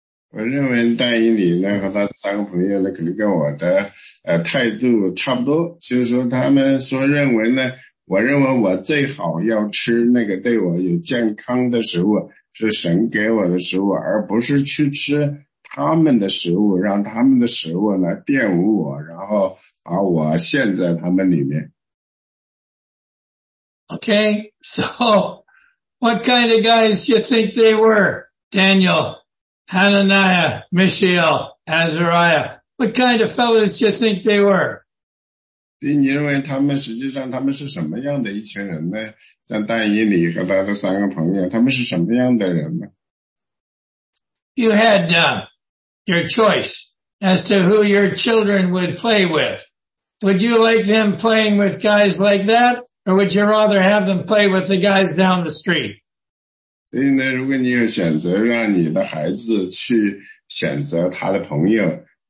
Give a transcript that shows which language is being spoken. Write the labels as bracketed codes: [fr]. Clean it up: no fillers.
[zh] 我认为但以理呢和他三个朋友呢可能跟我的态度差不多，就是说他们说认为呢，我认为我最好要吃那个对我有健康的食物，是神给我的食物，而不是去吃他们的食物，让他们的食物来玷污我，然后把我陷在他们里面。 [en] Okay, so what kind of guys you think they were, Daniel, Hananiah, Mishael, Azariah. What kind of fellows do you think they were? [zh] 你认为他们实际上是什么样的一群人呢? 像但以理和他的三个朋友，他们是什么样的人呢? [en] You had your choice as to who your children would play with. Would you like them playing with guys like that, or would you rather have them play with the guys down the street? [zh] 所以呢，如果你有选择让你的孩子去选择他的朋友。